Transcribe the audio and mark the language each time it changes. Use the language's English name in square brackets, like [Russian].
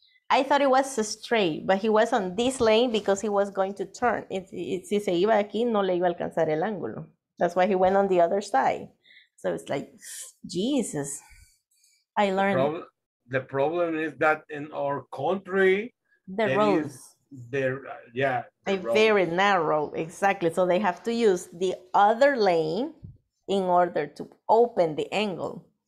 [English] I thought it was straight, but he was on this lane because he was going to turn. [Spanish] Si se iba aquí, no le iba a alcanzar el ángulo. [English] That's why he went on the other side. So it's like, Jesus. I learned. The problem is that in our country, the roads. Very narrow, exactly. So they have to use the other lane in order to open the angle.